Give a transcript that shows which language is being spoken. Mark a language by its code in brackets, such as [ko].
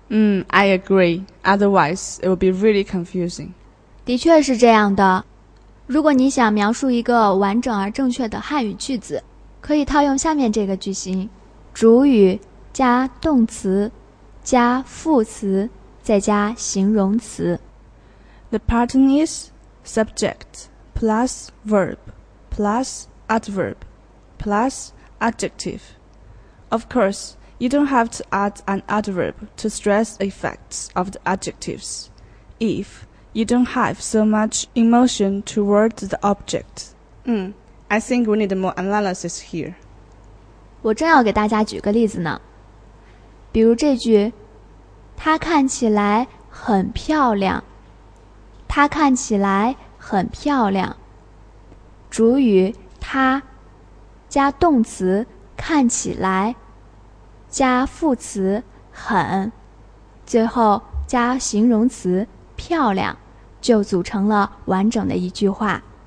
[en] I agree. Otherwise, it would be really confusing. [zh] 的确是这样的。如果你想描述一个完整而正确的汉语句子，可以套用下面这个句型：主语加动词加副词再加形容词。 [en] The pattern is subject plus verb plus adverb plus adjective. Of course,You don't have to add an adverb to stress the effects of the adjectives if you don't have so much emotion toward the object. I think we need more analysis here. [zh] 我正要给大家举个例子呢。比如这句，她看起来很漂亮。她看起来很漂亮。主语她加动词看起来加副词很，最后加形容词漂亮，就组成了完整的一句话。